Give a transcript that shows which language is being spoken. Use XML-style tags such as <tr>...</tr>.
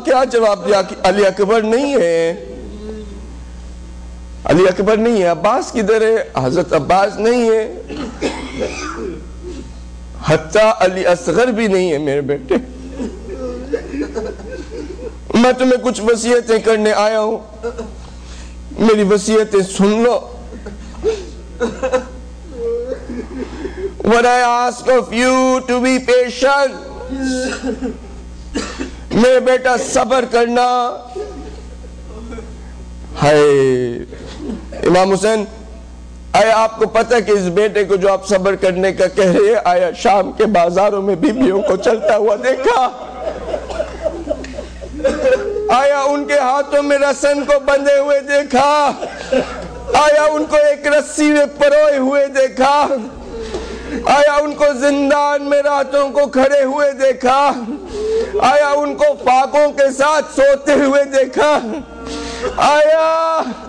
<ur>کیا جواب دیا؟ علی اکبر نہیں ہے, علی اکبر نہیں ہے, عباس کدھر ہے؟ حضرت عباس نہیں ہے, حتیٰ علی اصغر بھی نہیں ہے میرے بیٹے. میں تمہیں کچھ وصیتیں کرنے آیا ہوں, میری وصیتیں سن لو.</ur> <en>What I ask of you to be patient.</en> <ur>میرے بیٹا صبر کرنا. ہائے امام حسین, آیا آپ کو پتا کہ اس بیٹے کو جو آپ صبر کرنے کا کہہ رہے ہیں, آیا شام کے بازاروں میں بیویوں کو چلتا ہوا دیکھا؟ آیا ان کے ہاتھوں میں رسن کو بندھے ہوئے دیکھا؟ آیا ان کو ایک رسی میں پروئے ہوئے دیکھا؟ آیا ان کو زندان میں راتوں کو کھڑے ہوئے دیکھا؟ آیا ان کو پاکوں کے ساتھ سوتے ہوئے دیکھا؟ آیا</ur>